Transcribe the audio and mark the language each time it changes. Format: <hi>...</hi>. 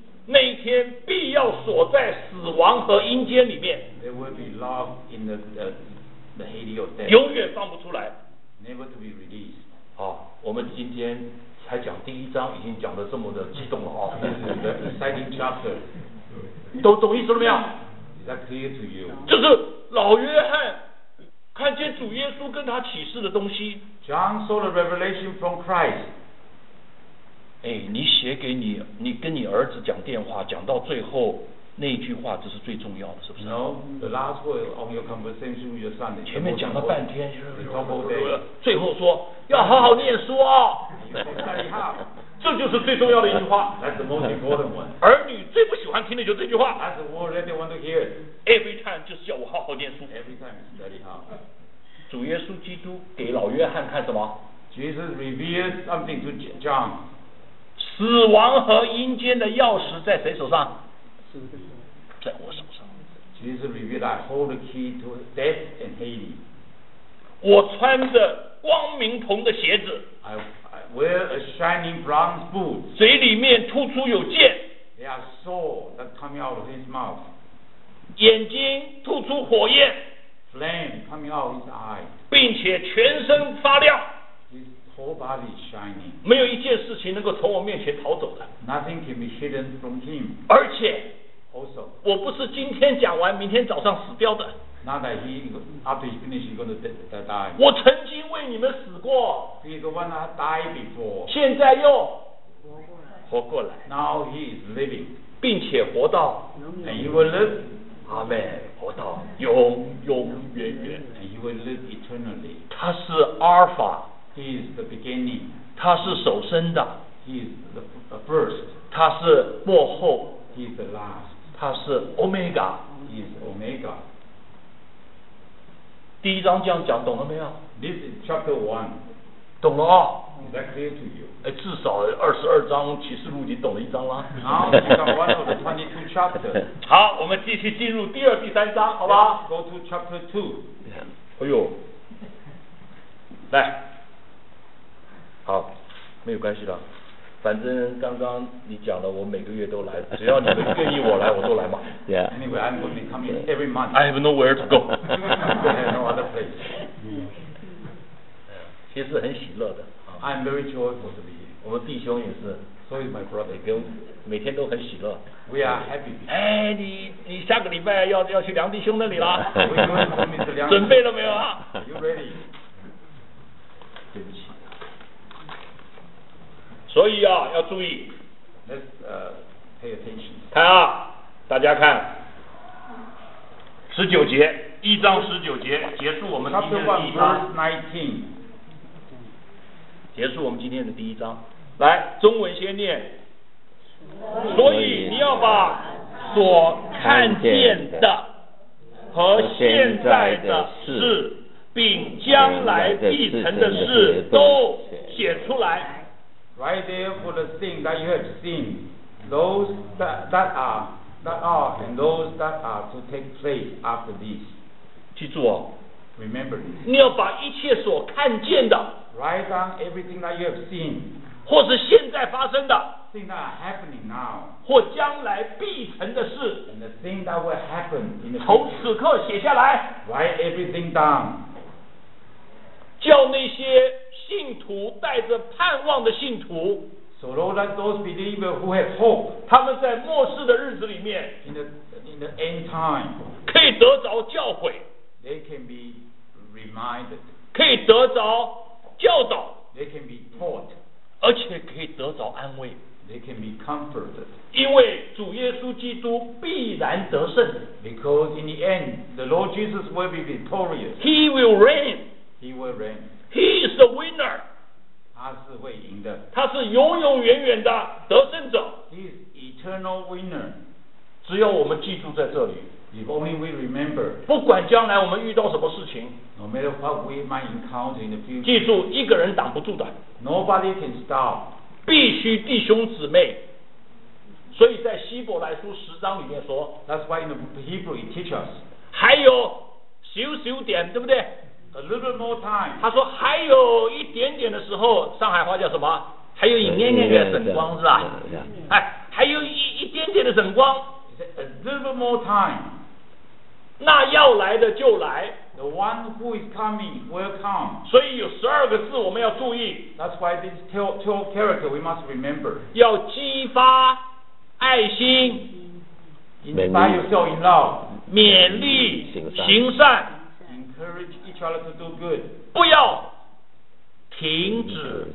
<zh>那一天必要锁在死亡和阴间里面。</zh> <en>They will be locked in the Hades of death.</en> <zh>永远放不出来。</zh> <en>Never to be released.</en> <zh>好，我们今天才讲第一章，已经讲得这么的激动了啊！</zh> <en>The exciting chapter.</en> <zh>都懂意思了没有？</zh> <en>Is that clear to you?</en> <zh>就是老约翰看见主耶稣跟他启示的东西。</zh> <en>John saw the revelation from Christ.</en> <zh>哎，你写给你，你跟你儿子讲电话，讲到最后那一句话，这是最重要的，是不是</zh> <en>？No, the last word of your conversation with your son.</en> <zh>前面讲了半天，</zh> <en>day,</en> <zh>最后说要好好念书啊、哦。这就是最重要的一句话。</zh> <en>That's the most important one.</en> <zh>儿女最不喜欢听的就是这句话。</zh> <en>That's the word that they want to hear. Every time</en> <zh>就是叫我好好念书。</zh> <en>Every time is study hard.</en> <zh>主耶稣基督给老约翰看什么</zh> <en>？Jesus revealed something to John.</en> <zh>死亡和阴间的钥匙在谁手上？在我手上。</zh> <en>Jesus revealed, I hold the key to death and Hades.</en> <zh>我穿着光明铜的鞋子。</zh> <en>I wear a shining bronze boot.</en> <zh>嘴里面吐出有剑。</zh> <en>There are swords that come out of his mouth.</en> <zh>眼睛吐出火焰。</zh> <en>Flame coming out of his eyes.</en> <zh>并且全身发亮。</zh> <en>Whole body shining.</en> <zh>没有一件事情能够从我面前逃走的。</zh> <en>Nothing can be hidden from him.</en> <zh>而且</zh> <en>，also，</en> <zh>我不是今天讲完，明天早上死掉的。</zh> <en>Not that he after he finish he's going to die.</en> <zh>我曾经为你们死过。</zh> <en>He the one that died before.</en> <zh>现在又活过来。</zh> <en>Now he is living.</en> <zh>并且活到。</zh> <en>And he will live.</en> <zh>阿门。活到永永远远。</zh> <en>And he will live eternally.</en> <zh>他是阿尔法。</zh> <en>He is the beginning.</en> <zh>他是首生的。</zh> <en>He is the first.</en> <zh>他是末后。</zh> <en>He is the last.</en> <zh>他是 Omega.</zh> <en>He is Omega.</en> <zh>第一章这样讲，懂了没有？</zh> <en>This is chapter one.</en> <zh>懂了啊、</zh> <en>哦。Is that clear to you?</en> <zh>哎，至少二十二章启示录已经懂了一章了。</zh> <en>Now we got one of the 22 chapters.</en> <zh>好，我们继续进入第二、第三章，好吧</zh> <en>？Go to chapter two.</en> <zh>哎呦，来。好，没有关系的，反正刚刚你讲了，我每个月都来，只要你们愿意我来，我都来嘛。</zh> <en>Yeah. Anyway, I'm going to be coming every month. I have nowhere to go. I have no other place.</en> <zh>其实很喜乐的。</zh> <en>I'm very joyful to be here.</en> <zh>我们弟兄也是。所以</zh> <en>my brother</en> <zh>跟每天都很喜乐。</zh> <en>We are happy.</en> <zh>哎，你下个礼拜要去梁弟兄那里了？我准备了没有啊</zh> <en>？You ready?</en> <zh>对不起。所以啊，要注意。</zh> <en>Let's pay attention.</en> <zh>看啊，大家看，十九节，一章十九节，结束我们今天的第一章。</zh> <en>19.</en> <zh>结束我们今天的第一章。来，中文先念。所以你要把所看见的和现在的事，并将来必成的事都写出来。</zh> <en>Write therefore the things that you have seen, those that are, and those that are to take place after this.</en> <zh>记住哦。</zh> <en>Remember this.</en> <zh>你要把一切所看见的。</zh> <en>Write down everything that you have seen.</en> <zh>或是现在发生的</zh> <en>，things that are happening now，</en> <zh>或将来必成的事</zh> <en>，and the thing that will happen in the</en> <zh>从此刻写下来</zh> <en>，write everything down，</en> <zh>叫那些信徒带着盼望的信徒</zh> <en>，so Lord, let those believers who have hope，</en> <zh>他们在末世的日子里面</zh> <en>，in the end time，</en> <zh>可以得着教诲</zh> <en>，they can be reminded，</en> <zh>可以得着教导</zh> <en>，they can be taught。</en> <zh>而且可以得着安慰</zh> <en>They can be comforted.</en> <zh>因为主耶稣基督必然得胜</zh> <en>Because in the end the Lord Jesus will be victorious. He will reign. He will reign. He is the winner.</en> <zh>他是会赢的他是永永远远的得胜者</zh> <en>He is eternal winner.</en> <zh>只要我们记住在这里</zh> <en>If only we remember.</en> <zh>不管将来我们遇到什么事情</zh> <en>No matter what we might encounter in the future.</en> <zh>记住一个人挡不住的</zh> <en>Nobody can stop.</en> <zh>必须弟兄姊妹。所以在希伯来书十章里面说</zh> <en>，That's why in the Hebrew it teaches us.</en> <zh>还有小小点，对不对</zh> <en>？A little more time.</en> <zh>他说还有一点点的时候，上海话叫什么？还有一点点的晨光是吧？哎，还有一点点的晨光。</zh> <en>A little more time.</en> <zh>那要来的就来。</zh> <en>The one who is coming will come.</en> <zh>所以有十二个字我们要注意。</zh> <en>That's why this two character we must remember.</en> <zh>要激发爱心。</zh> <en>Inspire yourself in love.</en> <zh>勉励行善。</zh> <en>Encourage each other to do good.</en> <zh>不要停止</zh>